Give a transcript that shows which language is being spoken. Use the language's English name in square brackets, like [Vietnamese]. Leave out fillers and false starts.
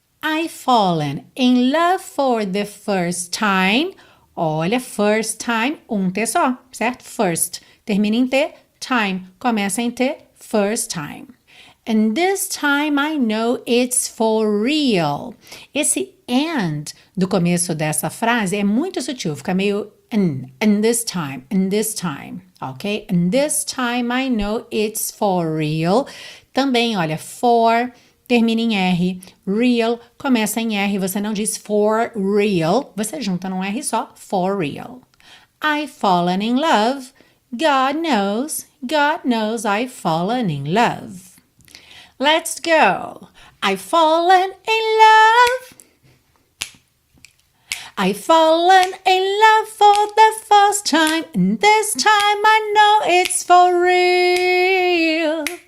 [English] I've fallen in love for the first time. [Portuguese] Olha, [English] first time, [Portuguese] um T só, certo? First, termina em T, time, começa em T, first time. [English] And this time I know it's for real. [Portuguese] Esse and do começo dessa frase é muito sutil, fica meio [English] and this time, [Portuguese] ok? [English] And this time I know it's for real. [Portuguese] Também, olha, for termina em R, real começa em R, você não diz [English] for real, [Portuguese] você junta num R só, for real. [English] I've fallen in love, God knows I've fallen in love. Let's go. I've fallen in love. I've fallen in love for the first time, and this time I know it's for real.